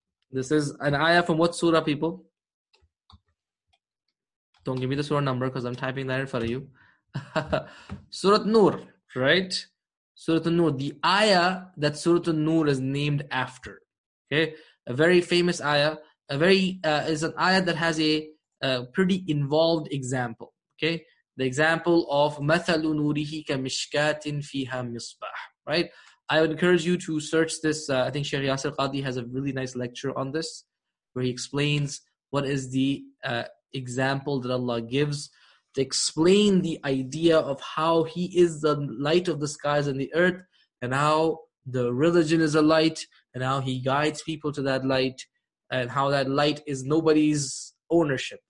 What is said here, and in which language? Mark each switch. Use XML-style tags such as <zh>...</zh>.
<en>This is an ayah from what surah, people? Don't give me the surah number because I'm typing that in front of you. Surah An-Nur, right? Surah An-Nur, the ayah that Surah An-Nur is named after. Okay, a very famous ayah. Is an ayah that has a pretty involved example. Okay, the example of</en> <ar>مَثَلُ نُورِهِ كَمِشْكَاتٍ فِيهَا مِصْبَاحٍ.</ar> <en>Right? I would encourage you to search this. I think Sheikh Yasir Qadhi has a really nice lecture on this, where he explains what is the example that Allah gives to explain the idea of how He is the light of the skies and the earth, and how the religion is a light, and how He guides people to that light, and how that light is nobody's ownership.</en>